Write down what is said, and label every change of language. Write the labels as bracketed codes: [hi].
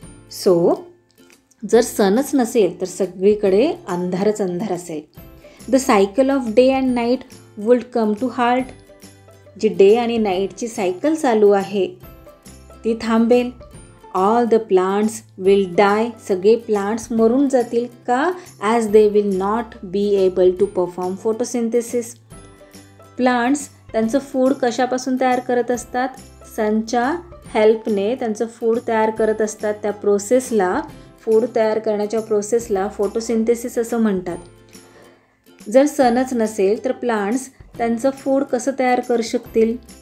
[mr] So जर सनच नसेल तर सगळीकडे अंधारच अंधार असेल. [en] The cycle of day and night would come to halt. [mr] G day आणि नाईटची सायकल चालू आहे ती थांबेल. [en] All the plants will die. [mr] सगळे प्लांट्स मरून जातील का? [en] As they will not be able to perform photosynthesis. [mr] Plants त्यांचं फूड कशापासून तयार करत असतात? सनच्या हेल्पने त्यांचं फूड तयार करत असतात. त्या प्रोसेसला, फूड तयार करण्याच्या प्रोसेसला फोटोसिंथेसिस असं म्हणतात. जर सनच नसेल तर प्लांट्स त्यांचं फूड कसं तयार करू शकतील?